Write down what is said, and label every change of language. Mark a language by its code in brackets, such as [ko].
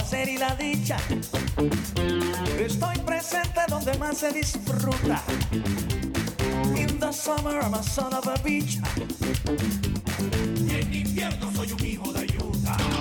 [es] Y la dicha, estoy presente donde más se disfruta. [en] In the summer I'm a son of a bitch. [es] Y en invierno soy un hijo de Utah.